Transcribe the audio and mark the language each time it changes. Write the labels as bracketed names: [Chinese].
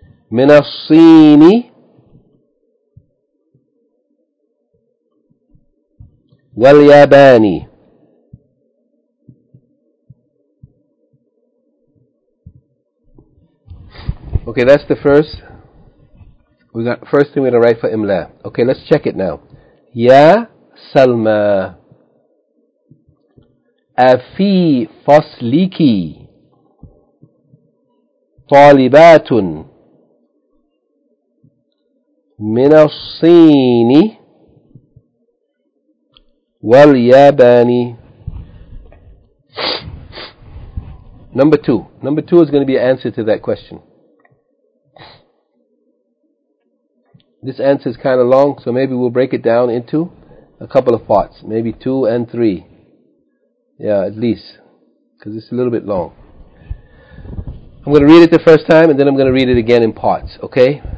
[Arabic] من الصين واليابان. [English] Okay, that's the first. We got first thing we're going to write for Imla. Okay, let's check it now. [Arabic] يا سلمى أفي فصلك طالبات من الصين واليابان. [English] Number two is going to be an answer to that question. This answer is kind of long, so maybe we'll break it down into a couple of parts, maybe 2 and 3. Yeah, at least, because it's a little bit long. I'm going to read it the first time, and then I'm going to read it again in parts, okay?